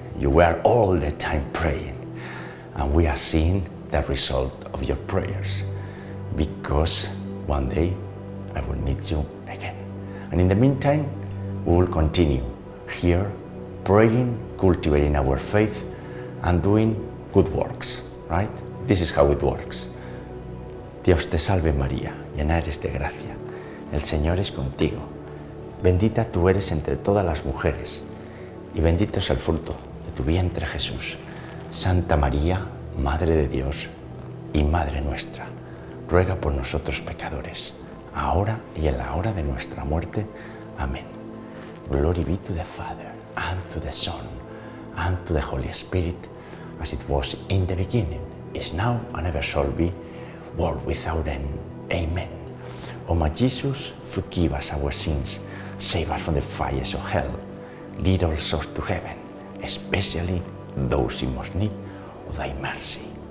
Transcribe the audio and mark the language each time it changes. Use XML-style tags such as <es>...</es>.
<en>You were all the time praying. And we are seeing the result of your prayers, because one day I will meet you again. And in the meantime, we will continue here praying, cultivating our faith, and doing good works, right? This is how it works.</en> <es>Dios te salve María, llena eres de gracia. El Señor es contigo. Bendita tú eres entre todas las mujeres, y bendito es el fruto de tu vientre, Jesús. Santa María, Madre de Dios y Madre nuestra, ruega por nosotros pecadores, ahora y en la hora de nuestra muerte. Amén.</es> <en>Glory be to the Father, and to the Son, and to the Holy Spirit, as it was in the beginning, is now, and ever shall be, world without end. Amen. O my Jesus, forgive us our sins, save us from the fires of hell, lead all souls to heaven, especially those in most need of thy mercy.</en>